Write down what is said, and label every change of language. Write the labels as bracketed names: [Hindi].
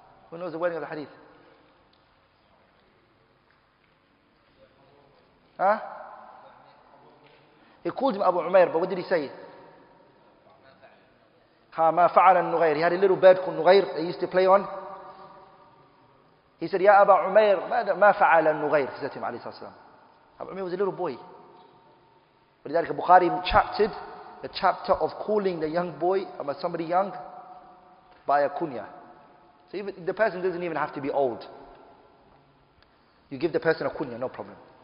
[English] Who knows the wording of the hadith? He called him Abu Umair, but what did he say? [Arabic] ما فعل النغير. [English] He had a little bird called Nughair that he used to play on. He said, [Arabic] يا أبا عمير ما فعل النغير. [English] He said to him, [Arabic] عليه الصلاة والسلام. [English] Abu Umair was a little boy. ولذلك البخاري chapter the chapter of calling the young boy or somebody young by a kunya. So even the person doesn't even have to be old. You give the person a kunya, no problem.